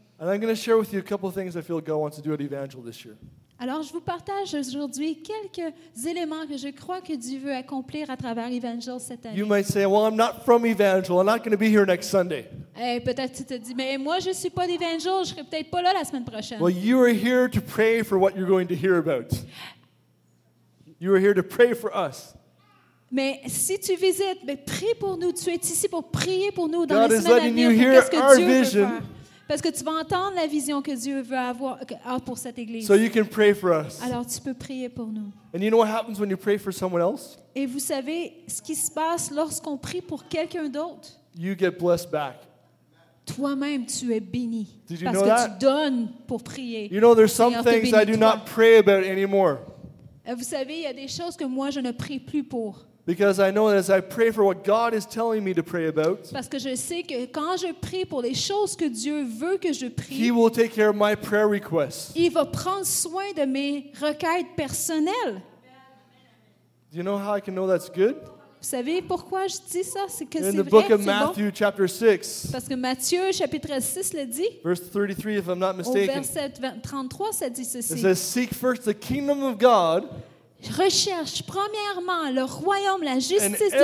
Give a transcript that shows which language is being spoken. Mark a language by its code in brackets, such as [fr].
[en] And I'm going to share with you a couple of things I feel God wants to do at Evangel this year. [fr] Alors, je vous partage aujourd'hui quelques éléments que je crois que Dieu veut accomplir à travers Evangel cette année. [en] You might say, well, I'm not from Evangel. I'm not going to be here next Sunday. [fr] Hey, peut-être tu te dis, mais moi, je ne suis pas d'Evangel. Je ne serai peut-être pas là la semaine prochaine. [en] Well, you are here to pray for what you're going to hear about. You are here to pray for us. [fr] Mais si tu visites, mais prie pour nous. Tu es ici pour prier pour nous [en] God [fr] dans les semaines à venir. [en] God is letting you hear our vision. [fr] Parce que tu vas entendre la vision que Dieu veut avoir pour cette église. [en] So you can pray for us. [fr] Alors tu peux prier pour nous. [en] And you know what happens when you pray for someone else? [fr] Et vous savez ce qui se passe lorsqu'on prie pour quelqu'un d'autre? [en] You get blessed back. [fr] Toi-même tu es béni. [en] Did you [fr] parce [en] know [fr] que [en] that? [fr] Tu donnes pour prier. [en] You know there's some things I do not pray about anymore. [fr] Et vous savez il y a des choses que moi je ne prie plus pour. [en] Because I know that as I pray for what God is telling me to pray about, [fr] parce que je sais que quand je prie pour les choses que Dieu veut que je prie, [en] He will take care of my prayer requests. [fr] Il va prendre soin de mes requêtes personnelles. [en] Do you know how I can know that's good? [fr] Vous savez pourquoi je dis ça? C'est que c'est vrai. [en] In the book of Matthew, chapter 6. [fr] Parce que Matthieu chapitre 6 le dit. [en] Verse 33, if I'm not mistaken. [fr] Au verset 33, ça dit ceci. [en] It says, "Seek first the kingdom of God." [fr] Recherche premièrement le royaume, la justice